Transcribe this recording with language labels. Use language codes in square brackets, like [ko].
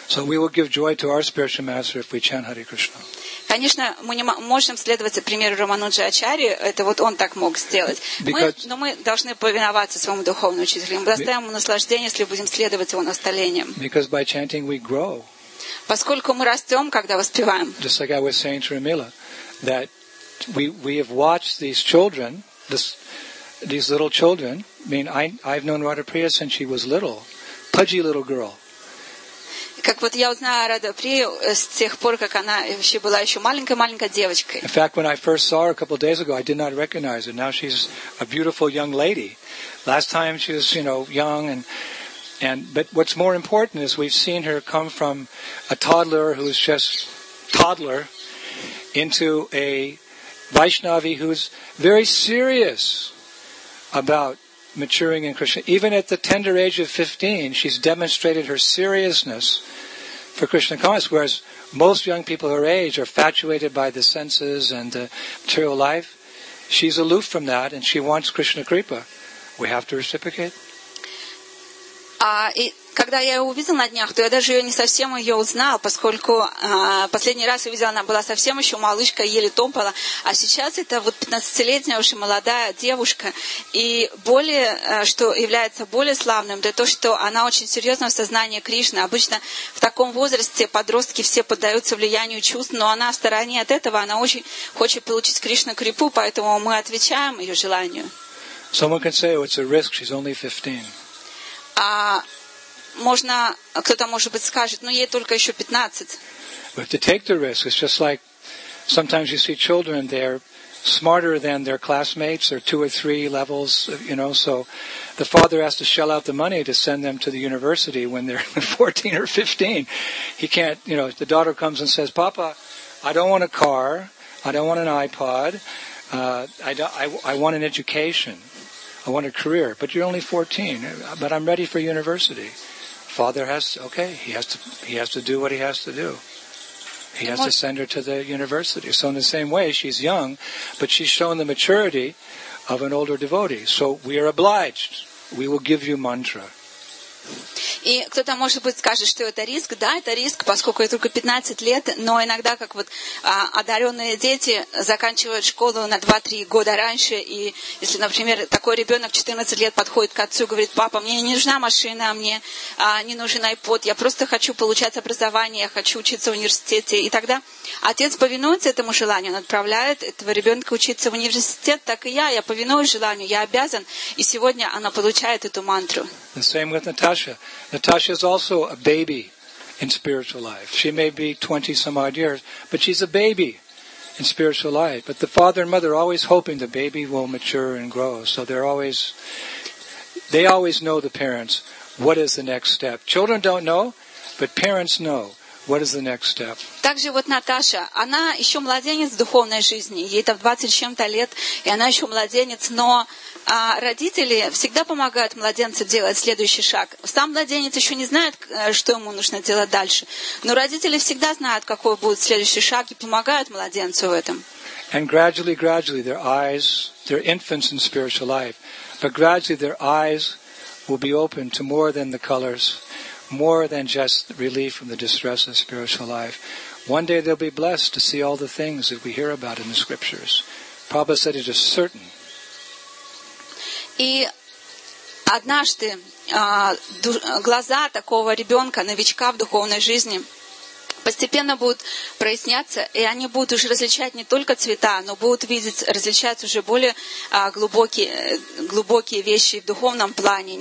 [en] So we will give joy to our spiritual master if we chant Hare Krishna. [ru] Конечно, мы не можем следовать примеру Рамануджа Ачарьи, это вот он так мог сделать. Но мы должны повиноваться своему духовному учителю. Мы доставим ему наслаждение, если будем следовать его наставлениям. [en] Because by chanting we grow. [ru] Поскольку мы растем, когда воспеваем. [en] Just like I was saying to Ramila, that we have watched these children, these little children. I mean, I've known Radha Priya since she was little, pudgy little girl. [ru] Как вот я узнала Радха Прию с тех пор, как она вообще была еще маленькой девочкой. [en] In fact, when I first saw her a couple of days ago, I did not recognize her. Now she's a beautiful young lady. Last time she was, you know, young and but what's more important is we've seen her come from a toddler who's just toddler into a Vaishnavi who's very serious about maturing in Krishna. Even at the tender age of 15, she's demonstrated her seriousness for Krishna consciousness, whereas most young people her age are fatuated by the senses and the material life. She's aloof from that and she wants Krishna Kripa. We have to reciprocate. [ru] Когда я ее увидела на днях, то я даже ее не совсем ее узнала, поскольку последний раз увидела, она была совсем еще малышка, еле топала. А сейчас это вот 15-летняя уже молодая девушка. И более, что является более славным, это то, что она очень серьезна в сознании Кришны. Обычно в таком возрасте подростки все поддаются влиянию чувств, но она в стороне от этого, она очень хочет получить Кришна Крипу, поэтому мы отвечаем ее желанию. [en] Someone can say, oh, it's a risk, she's only 15. [ru] Можно, кто-то, может быть, скажет, но ей только еще 15. [en] We have to take the risk. It's just like sometimes you see children, they're smarter than their classmates, or two or three levels, you know, so the father has to shell out the money to send them to the university when they're 14 or 15. He can't, you know, the daughter comes and says, Papa, I don't want a car, I don't want an iPod, I want an education. I want a career, but you're only 14. But I'm ready for university. Father has to, okay. He has to do what he has to do. He has to send her to the university. So in the same way, she's young, but she's shown the maturity of an older devotee. So we are obliged. We will give you mantra. [ru] И кто-то, может быть, скажет, что это риск. Да, это риск, поскольку я только 15 лет, но иногда, как вот одаренные дети заканчивают школу на 2-3 года раньше, и если, например, такой ребенок 14 лет подходит к отцу, говорит, папа, мне не нужна машина, мне не нужен iPod, я просто хочу получать образование, я хочу учиться в университете, и тогда отец повинуется этому желанию, он отправляет этого ребенка учиться в университет, так и я повинуюсь желанию, я обязан, и сегодня она получает эту мантру. [en] The same with Natasha. Natasha is also a baby in spiritual life. She may be 20 some odd years, but she's a baby in spiritual life. But the father and mother are always hoping the baby will mature and grow. So they always know the parents, what is the next step. Children don't know, but parents know. What is the next step? [ru] Также вот Наташа, она еще младенец в духовной жизни. Ей там 20 с чем-то лет, и она еще младенец, но родители всегда помогают младенцу делать следующий шаг. Сам младенец еще не знает, что ему нужно делать дальше. Но родители всегда знают, какой будет следующий шаг, и помогают младенцу в этом. [en] And gradually, their eyes, their infants in spiritual life, but gradually their eyes will be open to more than the colors, more than just relief from the distress of spiritual life. One day they'll be blessed to see all the things that we hear about in the scriptures. Prabhupada said it is certain. [ru] И однажды глаза такого ребенка, новичка в духовной жизни, постепенно будут проясняться, и они будут уже различать не только цвета, но будут видеть, различать уже более глубокие вещи в духовном плане.